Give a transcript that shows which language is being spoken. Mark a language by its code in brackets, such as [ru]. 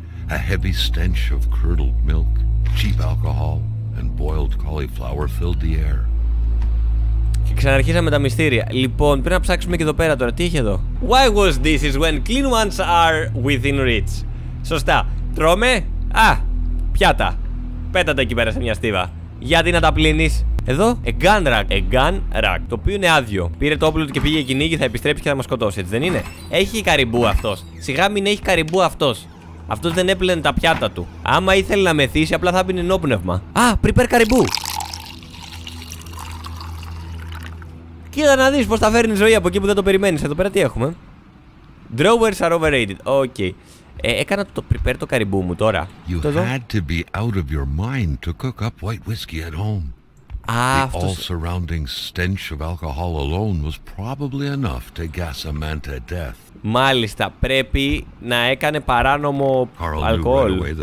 [en] A heavy stench of curdled milk, cheap alcohol, and boiled cauliflower filled the air. [el] Και ξαναρχίσαμε τα μυστήρια. Λοιπόν, πρέπει να ψάξουμε και εδώ πέρα τώρα. Τι έχει εδώ? [en] Why was this is when clean ones are within reach. [el] Σωστά. Τρώμε. Α, πιάτα. Πέτα τα εκεί πέρα σε μια στίβα. Γιατί να τα πλύνεις? [en] Εδώ, a gun rack. A gun rack. [el] Το οποίο είναι άδειο. Πήρε το όπλο του και πήγε κυνήγι. Θα επιστρέψει και θα μας σκοτώσει, έτσι δεν είναι? Έχει καριμπού αυτός. Σιγά μην έχει καριμπού αυτός. Αυτό δεν έπλαινε τα πιάτα του. Άμα ήθελε να μεθύσει, απλά θα πίνει ενόπνευμα. Α, prepare καριμπού. Κοίτα να δεις πως θα φέρνει ζωή από εκεί που δεν το περιμένεις. Εδώ πέρα τι έχουμε? [en] Drawers are overrated. Ok. [el] Έκανα το prepare το καριμπού μου τώρα. [en] You [el] το [en] had to be out of your mind to cook up white whiskey at home. [el] Α, [en] the [el] αυτός... [en] all surrounding stench of alcohol alone was probably enough to gas a man to death. [el] Μάλιστα, πρέπει να έκανε παράνομο αλκοόλ.